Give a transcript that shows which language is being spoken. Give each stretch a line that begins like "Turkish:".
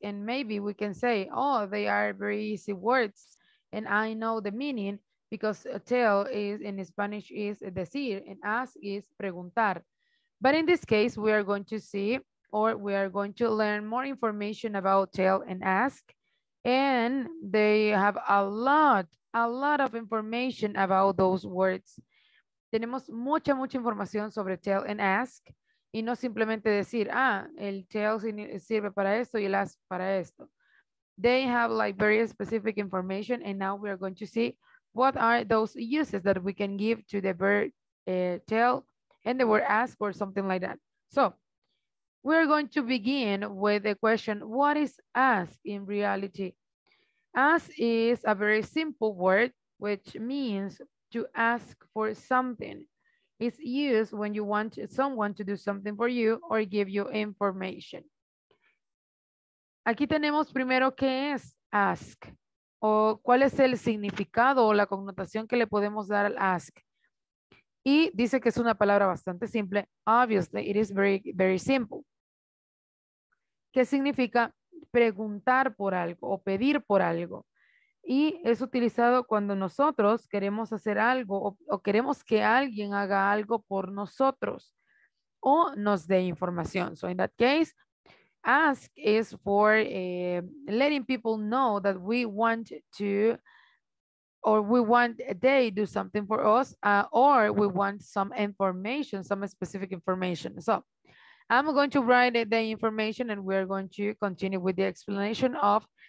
English: And maybe we can say, oh, they are very easy words and I know the meaning, because tell is in Spanish is decir and ask is preguntar. But in this case, we are going to see, or we are going to learn more information about tell and ask. And they have a lot of information about those words.
Spanish: Tenemos mucha, mucha información sobre tell and ask. Y no simplemente decir, ah, el tell sirve para esto y el ask para esto.
English: They have like very specific information. And now we are going to see what are those uses that we can give to the verb tell and the word ask or something like that. So, we're going to begin with the question, what is ask in reality? Ask is a very simple word, which means to ask for something. It's used when you want someone to do something for you or give you information.
Spanish: Aquí tenemos primero qué es ask, o cuál es el significado o la connotación que le podemos dar al ask. Y dice que es una palabra bastante simple.
English: Obviously, it is very, very simple.
Spanish: Que significa preguntar por algo o pedir por algo. Y es utilizado cuando nosotros queremos hacer algo o queremos que alguien haga algo por nosotros o nos dé información.
English: So in that case, ask is for letting people know that we want to, or we want they do something for us, or we want some information, some specific information. So I'm going to write the information and we're going to continue with the explanation of